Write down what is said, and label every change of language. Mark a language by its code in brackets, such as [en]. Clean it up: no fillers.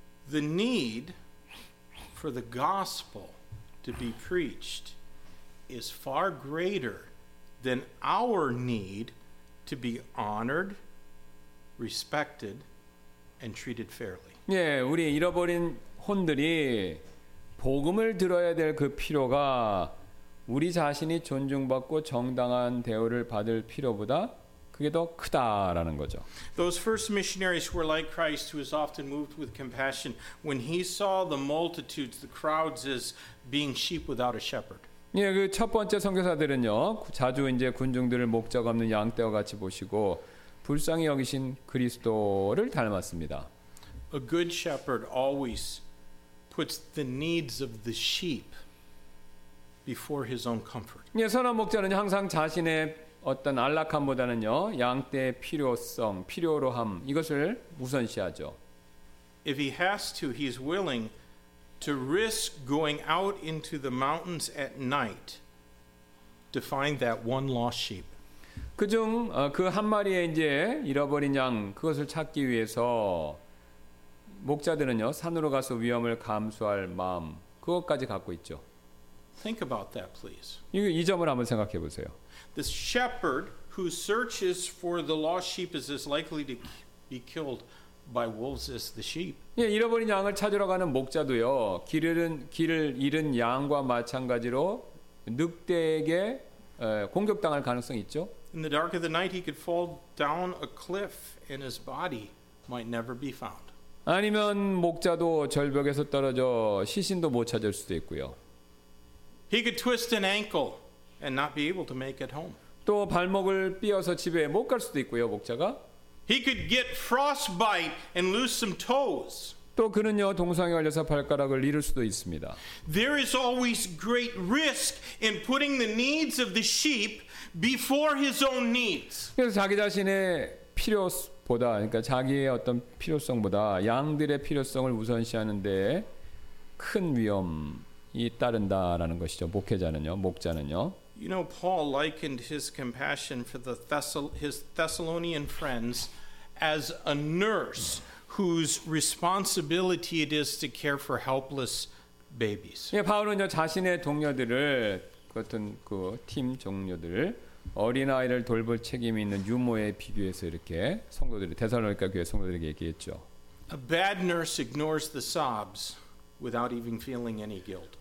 [en] The need for the gospel to be preached is far greater than our need to be honored, respected, and treated fairly. [ko] 예, 우리 잃어버린 혼들이 복음을 들어야 될 그 필요가 우리 자신이 존중받고 정당한 대우를 받을 필요보다 그게 더 크다라는 거죠. [en] Those first missionaries were like Christ, who is often moved with compassion when he saw the multitudes, the crowds as being sheep without a shepherd. [ko] 예, 그 첫 번째 선교사들은요, 자주 이제 군중들을 목적 없는 양떼와 같이 보시고 불쌍히 여기신 그리스도를 닮았습니다. [en] A good shepherd always puts the needs of the sheep before his own comfort. [ko] 예, 선한 목자는 항상 자신의 어떤 안락함보다는요 양떼의 필요성, 필요로함 이것을 우선시하죠. [en] If he has to, he is willing to risk going out into the mountains at night to find that one lost sheep. [ko] 그중 그 한 마리의 이제 잃어버린 양 그것을 찾기 위해서 목자들은요 산으로 가서 위험을 감수할 마음 그것까지 갖고 있죠. [en] Think about that, please. [ko] 이 점을 한번 생각해 보세요. [en] The shepherd who searches for the lost sheep is as likely to be killed by wolves as the sheep. [ko] 예, 잃어버린 양을 찾으러 가는 목자도요. 길을 잃은 양과 마찬가지로 늑대에게 공격당할 가능성이 있죠. [en] In the dark of the night he could fall down a cliff and his body might never be found. [ko] 아니면 목자도 절벽에서 떨어져 시신도 못 찾을 수도 있고요. [en] He could twist an ankle and not be able to make it home. [ko] 또 발목을 삐어서 집에 못 갈 수도 있고요, 목자가. [en] He could get frostbite and lose some toes. [ko] 또 그는요, 동상에 걸려서 발가락을 잃을 수도 있습니다. [en] There is always great risk in putting the needs of the sheep before his own needs. [ko] 그래서 자기 자신의 필요보다, 그러니까 자기의 어떤 필요성보다 양들의 필요성을 우선시하는 데 큰 위험 이 따른다라는 것이죠. 목회자는요, 목자는요. [en] You know, Paul likened his compassion for his Thessalonian friends as a nurse whose responsibility it is to care for helpless babies. [ko] 예, 바울은 이제 자신의 동료들을 같은 그 팀 동료들을 어린 아이를 돌볼 책임이 있는 유모에 비교해서 이렇게 성도들이 데살로니가 교회 성도들에게 얘기했죠. [en] A bad nurse ignores the sobs without even feeling any guilt.